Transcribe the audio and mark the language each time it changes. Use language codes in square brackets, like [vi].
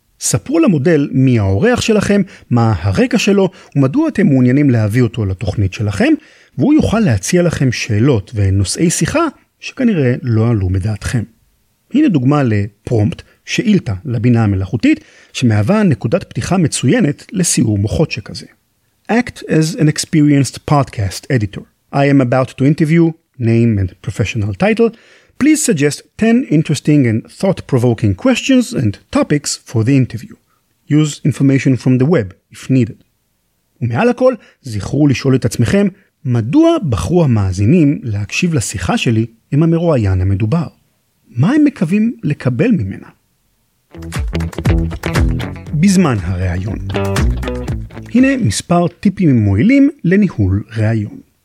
[he] ספרו למודל מי האורח שלכם, מה הרקע שלו ומדוע אתם מעוניינים להביא אותו לתוכנית שלכם, והוא יוכל להציע לכם שאלות ונושאי שיחה שכנראה לא עלו מדעתכם. הנה דוגמה לפרומפט, שאילתה לבינה המלאכותית, שמהווה נקודת פתיחה מצוינת לסיור מוחות שכזה. [en] Act as an experienced podcast editor. I am about to interview, name and professional title. Please suggest 10 interesting and thought-provoking questions and topics for the interview. Use information from the web, if needed. [he] ומעל הכל, זכרו לשאול את עצמכם, מדוע בחרו המאזינים להקשיב לשיחה שלי עם המרואיין המדובר? מה הם מקווים לקבל ממנה? בזמן הרעיון. הנה מספר טיפים מועילים לניהול רעיון.